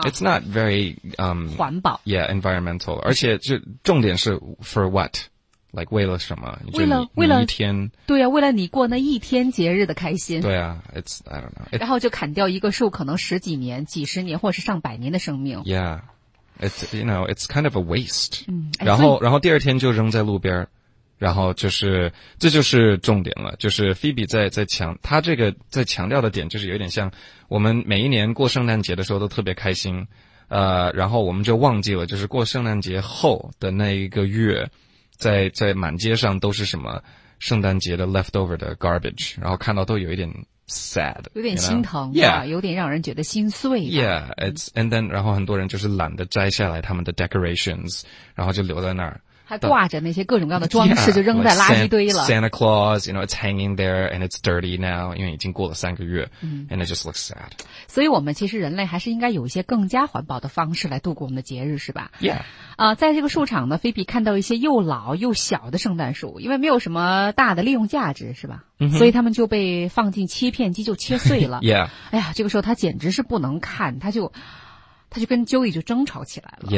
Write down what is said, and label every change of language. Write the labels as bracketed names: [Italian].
[English] It's not very, [Chinese] 环保。 [English] Yeah, environmental. [Chinese] 而且就重点是 [English] for what? Like, [Chinese] 为了什么？为了一天。对啊，为了你过那一天节日的开心。对啊， [English] it's, I don't know. [Chinese] 然后就砍掉一个树，可能十几年、几十年或是上百年的生命。 [English] Yeah. It's, you know, it's kind of a waste. [Chinese] 然后第二天就扔在路边，然后就是，这就是重点了，就是 Phoebe 在强调的点就是有点像，我们每一年过圣诞节的时候都特别开心，然后我们就忘记了，就是过圣诞节后的那一个月，在满街上都是什么圣诞节的 leftover 的 garbage, 然后看到都有一点 sad, 有点心疼 [English] you know? [Chinese] Yeah, 有点让人觉得心碎。 [English] Yeah, it's, and then, [Chinese] 然后很多人就是懒得摘下来他们的 decorations, 然后就留在那儿。还挂着那些各种各样的装饰就扔在垃圾堆了。 [English] Yeah, like、Santa Claus, you know, it's hanging there and it's dirty now, [Chinese] 因为已经过了三个月、 [English] and it just looks sad. [Chinese] 所以我们其实人类还是应该有一些更加环保的方式来度过我们的节日是吧 [English] ?Yeah.、 [Chinese] 在这个树场呢，菲比看到一些又老又小的圣诞树，因为没有什么大的利用价值是吧、所以他们就被放进切片机就切碎了。 [English] Yeah. [Chinese] 哎呀，这个时候他简直是不能看，他就跟 Joey 就争吵起来了。